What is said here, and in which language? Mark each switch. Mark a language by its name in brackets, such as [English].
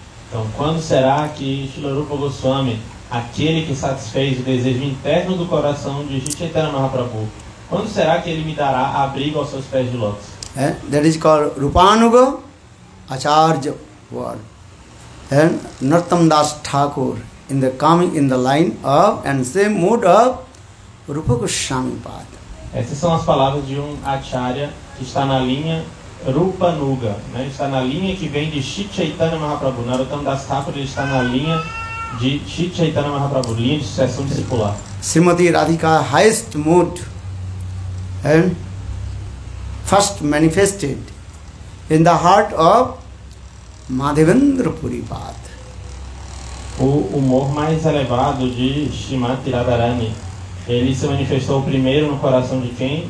[Portuguese] Então, quando será que Srila Rupa Goswami, aquele que satisfez o desejo interno do coração de Shri Chaitanya Mahaprabhu, quando será que ele me dará abrigo aos seus pés de lótus? [English] That is called Rupanuga Acharya Var. Narottam Das Thakur in the coming in the line of and same mood of Rupa Goswami Pad. [Portuguese] Essas são as palavras de um acharya que está na linha Rupa Nuga, né? Está na linha que vem de Shri Chaitanya Mahaprabhu. Narottam Das Thakur está na linha de Shri Chaitanya Mahaprabhu, linha de sucessão discipular. [English] Srimati Radhika highest mood and first manifested in the heart of Madhavendra Puri Pad. [Portuguese] O humor mais elevado de Srimati Radharani, ele se manifestou primeiro no coração de quem?